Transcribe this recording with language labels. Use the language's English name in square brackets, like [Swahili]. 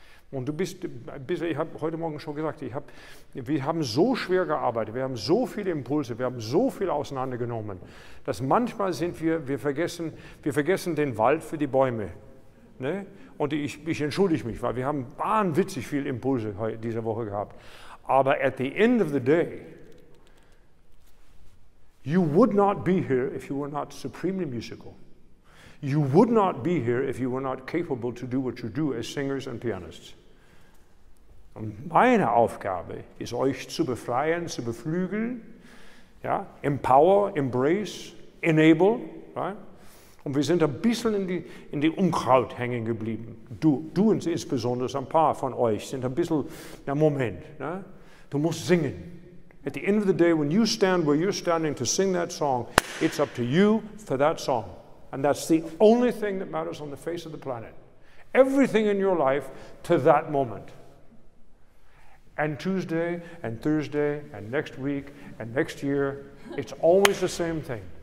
[German] Und du bist, ich habe heute Morgen schon gesagt, wir haben so schwer gearbeitet, wir haben so viele Impulse, wir haben so viel auseinandergenommen, dass manchmal sind wir vergessen den Wald für die Bäume. Ne? Und ich entschuldige mich, weil wir haben wahnwitzig viele Impulse diese Woche gehabt. [English] Aber at the end of the day, you would not be here if you were not supremely musical. You would not be here if you were not capable to do what you do as singers and pianists. [German] Und meine Aufgabe ist, euch zu befreien, zu beflügeln, ja? [English] Empower, embrace, enable, right? [German] Und wir sind ein bisschen in die Unkraut hängen geblieben. Du und insbesondere ein paar von euch sind ein bisschen, na Moment, ne? Du musst singen. [English] At the end of the day, when you stand where you're standing to sing that song, it's up to you for that song. And that's the only thing that matters on the face of the planet. Everything in your life to that moment. And Tuesday, and Thursday, and next week, and next year, it's always the same thing.